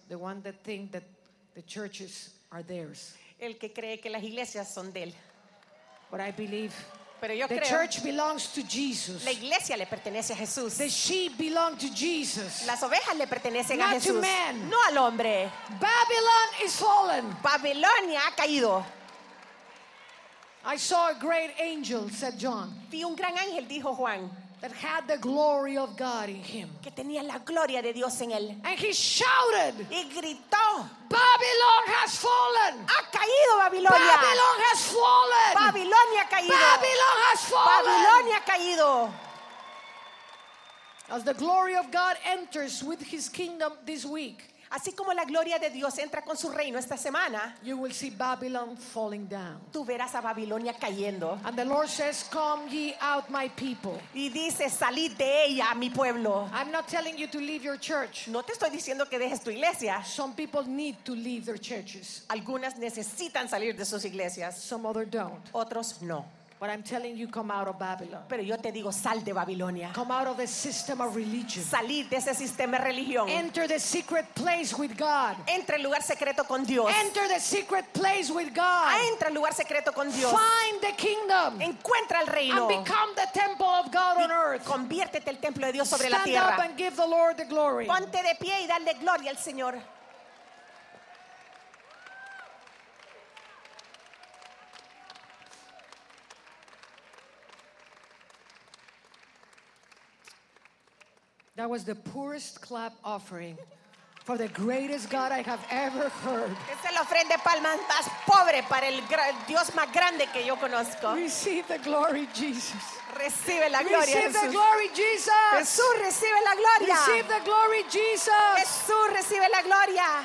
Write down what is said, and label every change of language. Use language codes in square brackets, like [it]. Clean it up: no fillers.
[en] The one that thinks that the churches are theirs. [es] El que cree que las iglesias son de él. [en] But I believe [es] pero yo [en] the [es] creo, [en] church belongs to Jesus. [es] La iglesia le pertenece a Jesús. [en] The sheep belong to Jesus. [es] Las ovejas le pertenecen [en] not [es] a Jesús. [en] To man. [es] No al hombre. [en] Babylon is fallen. [es] Babilonia ha caído. [en] I saw a great angel, said John. [es] Vi un gran ángel, dijo Juan. [en] that had the glory of God in him. [es] Que tenía la gloria de Dios en él. [en] And he shouted. [es] Y gritó. [en] Babylon has fallen. [es] Ha caído Babilonia. [en] Babylon has fallen. [es] Babilonia ha caído. [en] Babylon has fallen. [es] Babilonia ha caído. [en] As the glory of God enters with his kingdom this week. [es] Así como la gloria de Dios entra con su reino esta semana, [en] you will see Babylon falling down. [es] Tú verás a Babilonia cayendo. [en] And the Lord says, "Come ye out, my people." [es] Y dice, salid de ella, mi pueblo. [en] I'm not telling you to leave your church. [es] No te estoy diciendo que dejes tu iglesia. [en] Some people need to leave their churches. [es] Algunas necesitan salir de sus iglesias. [en] Some others don't. [es] Otros no. [en] But I'm telling you, come out of Babylon. [es] Pero yo te digo, sal de Babilonia. [en] Come out of the system of religion. [es] Salid de ese sistema de religión. [en] Enter the secret place with God. [es] Entra el lugar secreto con Dios. [en] Enter the secret place with God. [es] Entra el lugar secreto con Dios. [en] Find the kingdom. [es] Encuentra el reino. [en] And become the temple of God on earth. [es] Conviértete el templo de Dios sobre [en] Stand [es] la tierra. [en] Stand up and give the Lord the glory. [es] Ponte de pie y dale gloria al Señor. [en] That was the poorest clap offering for the greatest God I have ever heard. [es] Esta es la ofrenda de palmas más pobre para el Dios más grande que yo conozco. [en] Receive the glory, Jesus. [es] Recibe la gloria, Jesús. [en] Receive the glory, Jesus. [es] Jesús, recibe la gloria. [en] Receive the glory, Jesus. [es] Jesús, recibe la gloria.